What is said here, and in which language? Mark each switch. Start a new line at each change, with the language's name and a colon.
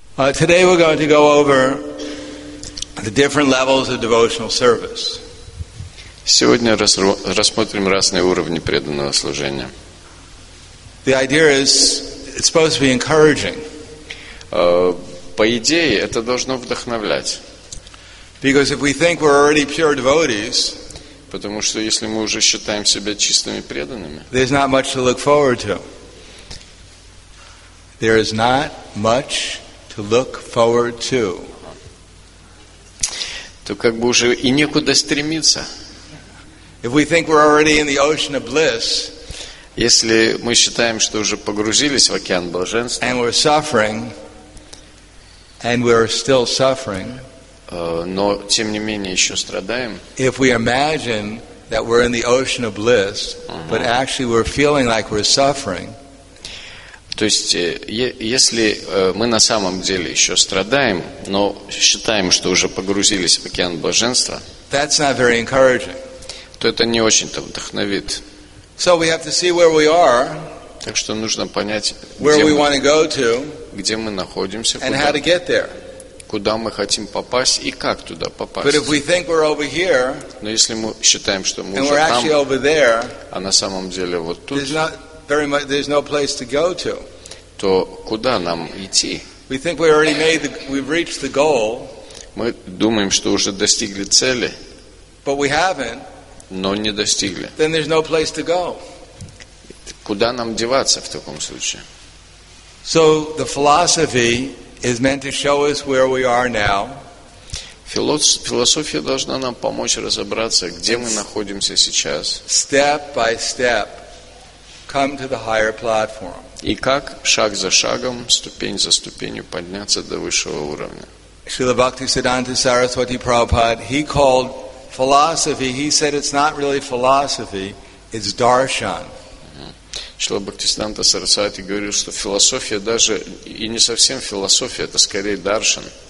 English: Today we're going to go over the different levels of devotional service.
Russian: Сегодня рассмотрим разные уровни преданного служения.
English: The idea is it's supposed to be encouraging.
Russian: По идее, это должно вдохновлять.
English: Because if we think we're already pure devotees,
Russian: потому что если мы уже считаем себя чистыми преданными,
English: there's not much to look forward to. There is not much to look forward to.
Russian: То как бы уже и некуда стремиться.
English: If we think we're already in the ocean of bliss,
Russian: если мы считаем, что уже погрузились в океан блаженства,
English: and we're suffering, and we're still suffering,
Russian: но тем не менее еще страдаем,
English: if we imagine that we're in the ocean of bliss, but actually we're feeling like we're suffering,
Russian: то есть, если мы на самом деле еще страдаем, но считаем, что уже погрузились в океан блаженства,
English: that's not very encouraging.
Russian: То это не очень-то вдохновит.
English: So we have to see where we are,
Russian: так что нужно понять,
English: where
Russian: где,
English: we want to go to,
Russian: где мы находимся,
English: and
Russian: куда,
English: how to get there.
Russian: Куда мы хотим попасть и как туда попасть.
English: But if we think we're over here,
Russian: но если мы считаем, что мы
English: and
Russian: уже
English: we're
Russian: там,
English: actually over there,
Russian: а на самом деле вот тут,
English: very much, there's no place to go to.
Russian: То куда нам идти?
English: We think we already made the, we've reached the goal.
Russian: Мы думаем, что уже достигли цели.
English: But we haven't.
Russian: Но не достигли.
English: Then there's no place to go.
Russian: Куда нам деваться в таком случае?
English: So the philosophy is meant to show us where we are now.
Russian: Философия должна нам помочь разобраться, где мы находимся сейчас.
English: Step by step. Come to the higher platform.
Russian: И как шаг за шагом, ступень за ступенью подняться до высшего уровня.
English: Śrīla Bhaktisiddhānta Saraswati Prabhupāda, he called philosophy, he said it's not really philosophy, it's darshan.
Russian: Śrīla Bhaktisiddhānta Saraswati говорил, что философия даже и не совсем философия, это скорее даршан.